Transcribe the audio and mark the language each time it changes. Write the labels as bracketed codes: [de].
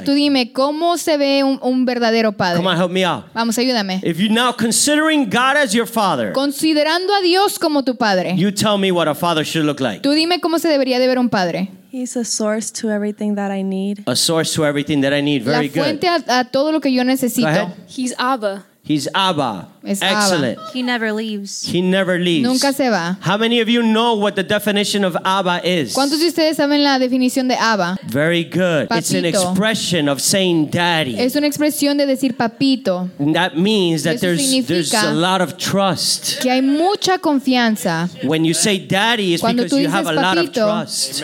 [es] Ahora tú dime cómo se ve un verdadero padre. [en] Come on, help me out. [es] Vamos, ayúdame. [en] If you're now considering God as your father. [es] Considerando a Dios como tu padre. [en] You tell me what a father should look like. [es] Tú dime cómo se debería de ver un padre. [en] He's a source to everything that I need. A source to everything that I need. Very good. [es] La fuente a todo lo que yo necesito. [en] Go ahead. He's Abba. He's Abba. [es] Es [en] Excellent. Abba. He never leaves. He never leaves. [es] Nunca se va. [en] How many of you know what the definition of Abba is? [es] ¿Cuántos de ustedes saben la definición de Abba? [en] Very good. [es] Papito. [en] It's an expression of saying daddy. [es] Es una expresión de decir papito. [en] And that means that [es] Eso [en] there's a lot of trust. [es] Que hay mucha confianza. [en] When you say daddy, it's [es] Cuando [en] because you have [es] papito, [en] a lot of trust.